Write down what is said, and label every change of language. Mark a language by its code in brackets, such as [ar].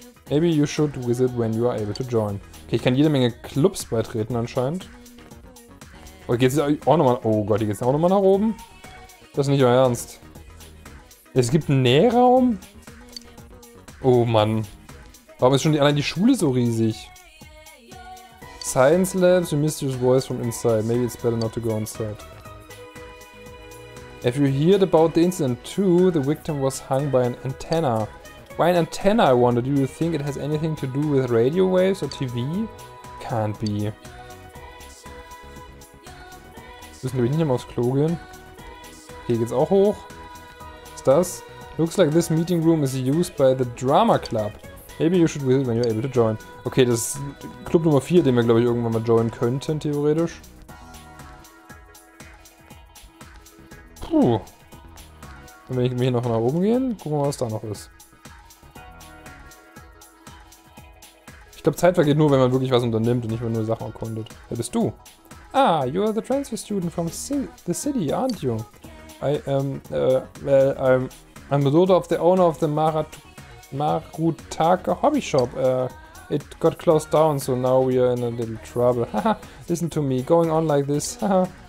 [en] Maybe you should visit when you are able to join. [de] Okay, ich kann jede Menge Clubs beitreten anscheinend. Oh, geht's auch nochmal. Oh Gott, hier geht's auch nochmal nach oben. Das ist nicht euer Ernst. Es gibt einen Nähraum? Oh Mann. Warum ist schon allein die Schule so riesig? [en] Science Labs, a mysterious voice from inside. Maybe it's better not to go inside. If you heard about the incident too, the victim was hung by an antenna. Why an antenna, I wonder? Do you think it has anything to do with radio waves or TV? Can't be. [de] Müssen wir nicht mal aufs Klo gehen? Hier geht's auch hoch. Ist das? [en] Looks like this meeting room is used by the drama club. Maybe you should visit when you're able to join. [de] Okay, das ist Club Nummer 4, den wir, glaube ich, irgendwann mal joinen könnten, theoretisch. Puh. Dann will ich hier noch nach oben gehen. Gucken wir mal, was da noch ist. Ich glaube, Zeit vergeht nur, wenn man wirklich was unternimmt und nicht, wenn man nur Sachen erkundet. Wer bist du? [en] Ah, you are the transfer student from the city, aren't you? I am, well, I'm the daughter of the owner of the Marutaka Hobby Shop. It got closed down, so now we are in a little trouble. Haha, listen to me, going on like this, haha.